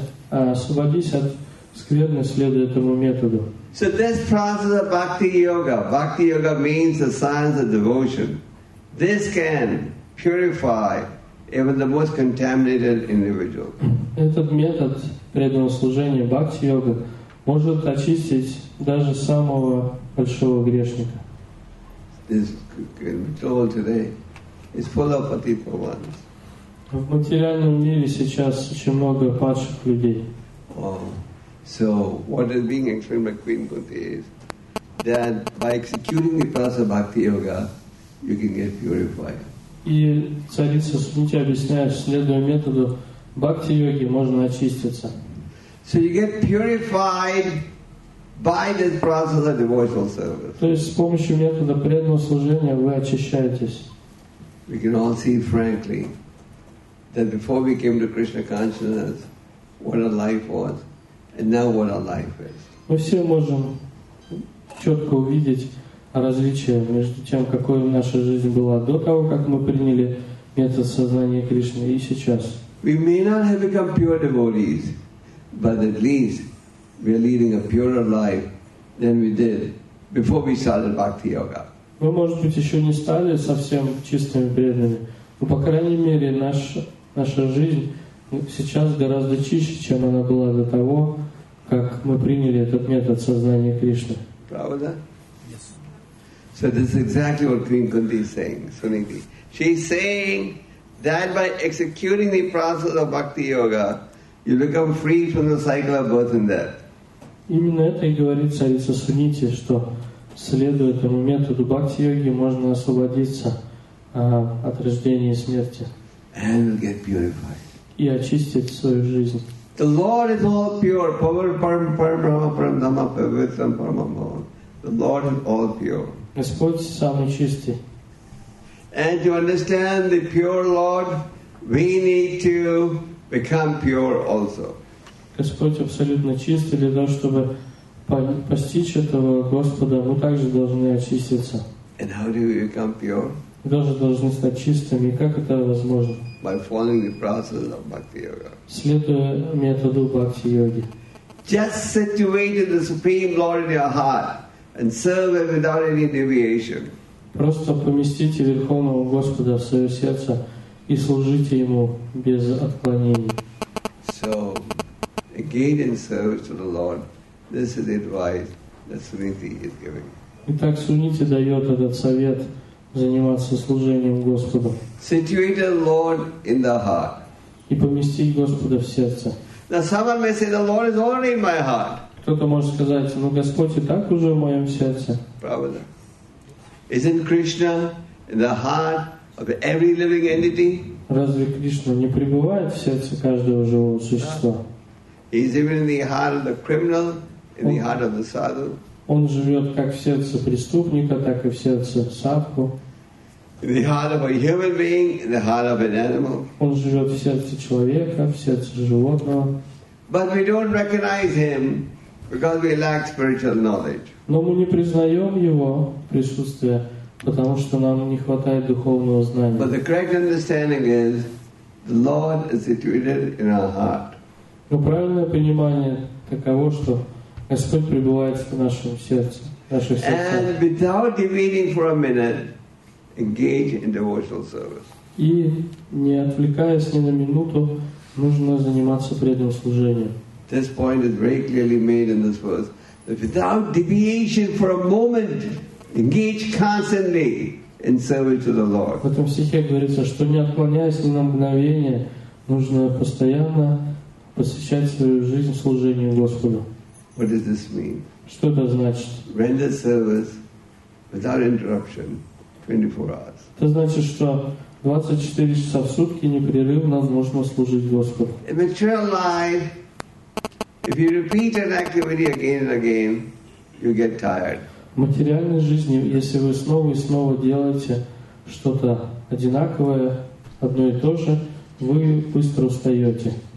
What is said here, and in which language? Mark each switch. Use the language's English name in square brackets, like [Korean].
[Russian] Освободись от скверны, следуя этому методу. [English] So this process of bhakti yoga. Bhakti yoga means the science of devotion. This can purify even the most contaminated individual. [Russian] Этот метод преданного служения бхакти йога может очистить даже самого большого грешника. [English] This material today is full of patipa ones. [Russian] В материальном мире сейчас очень много падших людей. Oh. [English] So what is being explained by Queen Kunti is that by executing the process of bhakti yoga, you can get purified. [Russian] И царица Сунити объясняет, следуя методу бхакти йоги, можно очиститься. [English] So you get purified by this process of devotional service. [Russian] То есть с помощью метода преданного служения вы очищаетесь. [English] We can all see frankly that before we came to Krishna consciousness, what our life was, and now what our life is. [Russian] Мы все можем четко увидеть различие между тем, какой наша жизнь была до того, как мы приняли метод сознания Кришны, и сейчас. [English] We may not have become pure devotees, but at least we are leading a purer life than we did before we started bhakti yoga. [Russian] Мы, может быть, еще не стали совсем чистыми преданными, но по крайней мере наша жизнь сейчас гораздо чище, чем она была до того, как мы приняли этот метод сознания Кришны. Правда? [English] Yes. So this is exactly what Queen Kunti is saying, Suniti. She's saying that by executing the process of bhakti yoga, you become free from the cycle of birth and death. [Russian] Именно это и говорит царица Сунити, что следуя этому методу бхакти йоги, можно освободиться от рождения и смерти. [English] And get purified. [Russian] И очистить свою жизнь. [English] The Lord is all pure. Power, param, param, param, param, dhamma, pavitram, param, param. The Lord is all pure. [Russian] Господь самый чистый. [English] And to understand the pure Lord, we need to become pure also. [Russian] Господь абсолютно чистый, для того, чтобы постичь этого Господа, мы также должны очиститься. [English] And how do we become pure? [Russian] Мы тоже должны стать чистыми. Как это возможно? [English] By following the process of bhakti yoga. [Russian] Следуя методу бхакти йоги. [English] Just situate the Supreme Lord in your heart and serve Him without any deviation. [Russian] Просто поместите Верховного Господа в свое сердце и служите ему без отклонений. [English] So, again in service to the Lord, this is the advice that Suniti is giving. [Russian] Итак, Сунити дает этот совет заниматься служением Господу. [English] Situate the Lord in the heart. [Russian] И поместить Господа в сердце. [English] Now someone may say, the Lord is already in my heart. [Russian] Кто-то может сказать, но Господь и так уже в моем сердце. Правда. [English] Isn't Krishna in the heart of every living entity? [Russian] Разве Кришна не пребывает в сердце каждого живого существа? [English] He is even in the heart of the criminal, in the heart of the sadhu. [Russian] Он живет как в сердце преступника, так и в сердце садху. [English] In the heart of a human being, in the heart of an animal. [Russian] Он живет в сердце человека, в сердце животного. [English] But we don't recognize him because we lack spiritual knowledge. [Russian] Но мы не признаем его присутствие, потому что нам не хватает духовного знания. [English] But the correct understanding is the Lord is situated in our heart. [Russian] Но правильное понимание таково, что Господь пребывает в нашем сердце, в нашем сердце. [English] And without deviating for a minute, engage in devotional service. [Russian] И не отвлекаясь ни на минуту, нужно заниматься преданным служением. [English] This point is very clearly made in this verse. That without deviation for a moment, engage constantly in service to the Lord. [Russian] В этом стихе говорится, что не отклоняясь ни на мгновение, нужно постоянно посвящать свою жизнь служению Господу. [English] What does this mean? [Russian] Что это значит? [English] Render service without interruption. 24 hours. [Russian] Это значит, что 24 часа в сутки непрерывно нужно служить Господу. [English] In material life, if you repeat an activity again and again, you get tired. [Russian] В материальной жизни, если вы снова и снова делаете что-то одинаковое, одно и то же, вы быстро устаете.